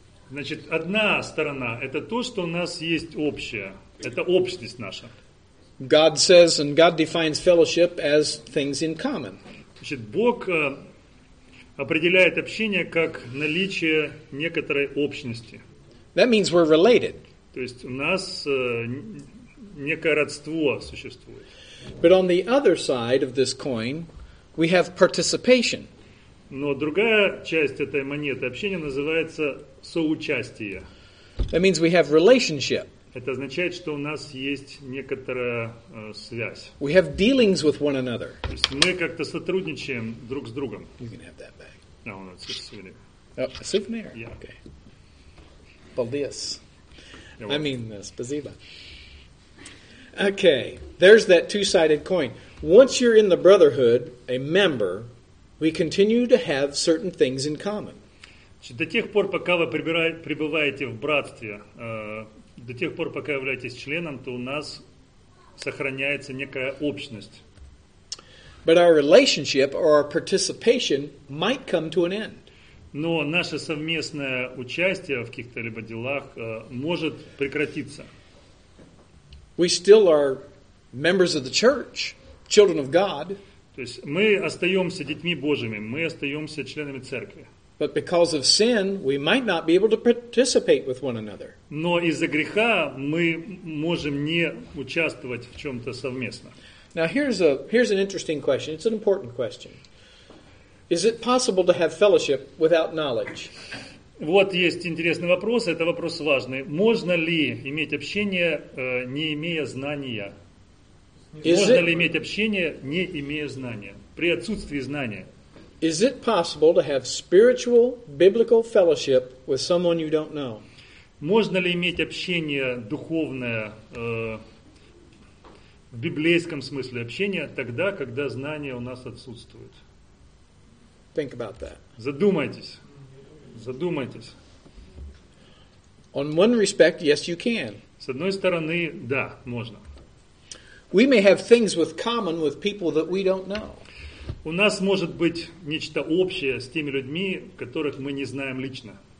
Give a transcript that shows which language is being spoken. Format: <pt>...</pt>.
<ru>Значит, одна сторона – это то, что у нас есть общее. Это общность наша.</ru> <en>God says and God defines fellowship as things in common.</en> <ru>Значит, Бог определяет общение как наличие некоторой общности.</ru> <en>That means we're related.</en> <ru>То есть у нас некое родство существует.</ru> <en>But on the other side of this coin, we have participation.</en> <ru>Но другая часть этой монеты общения называется соучастие.</ru> <en>That means we have relationship.</en> <ru>Это означает, что у нас есть некоторая связь.</ru> <en>We have dealings with one another.</en> <ru>То есть мы как-то сотрудничаем друг с другом.</ru> <en>You can have that bag. No, no, it's a souvenir. Oh, a souvenir? Yeah. Okay. Baldias. Yeah, I mean, spasiba. Okay. There's that two-sided coin. Once you're in the brotherhood, a member, we continue to have certain things in common.</en> <ru>До тех пор, пока вы пребываете в братстве, до тех пор, пока являетесь членом, то у нас сохраняется некая общность.</ru> <en>But our relationship or our participation might come to an end.</en> <ru>Но наше совместное участие в каких-то либо делах может прекратиться.</ru> <en>We still are members of the church, children of God.</en> <ru>То есть мы остаемся детьми Божьими, мы остаемся членами церкви.</ru> <en>But because of sin, we might not be able to participate with one another.</en> <ru>Но из-за греха мы можем не участвовать в чем-то совместно.</ru> <en>Now here's an interesting question. It's an important question. Is it possible to have fellowship without knowledge?</en> <ru>Вот есть интересный вопрос, это вопрос важный. Можно ли иметь общение, не имея знания? Можно ли иметь общение, не имея знания? При отсутствии знания.</ru> <en>Is it possible to have spiritual, biblical fellowship with someone you don't know?</en> <ru>Можно ли иметь общение духовное, в библейском смысле общение, тогда, когда знания у нас отсутствуют?</ru> <en>Think about that.</en> <ru>Задумайтесь.</ru> <en>On one respect, yes, you can.</en> <ru>С одной стороны, да, можно.</ru> <en>We may have things with common with people that we don't know.</en> <ru>У нас может быть нечто общее с теми людьми, которых мы не знаем лично.</ru>